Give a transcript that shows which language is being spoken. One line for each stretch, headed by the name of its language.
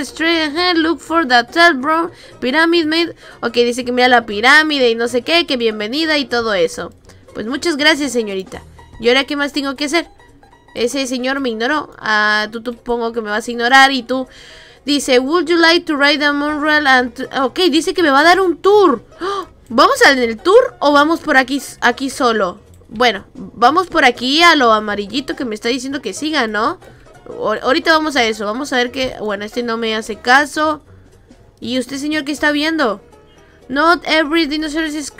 English: Straight ahead, look for the third room. Pyramid made.
Spanish: Ok, dice que mira la pirámide y no sé qué. Que bienvenida y todo eso. Pues muchas gracias, señorita. ¿Y ahora qué más tengo que hacer? Ese señor me ignoró. Ah, tú supongo que me vas a ignorar y tú... Dice,
English: would you like to ride a monorail and...
Spanish: Ok, dice que me va a dar un tour. ¡Oh! ¿Vamos en el tour o vamos por aquí solo? Bueno, vamos por aquí a lo amarillito que me está diciendo que siga, ¿no? Ahorita vamos a eso, vamos a ver que... Bueno, este no me hace caso. ¿Y usted, señor, qué está viendo?
English: Not every dinosaur is...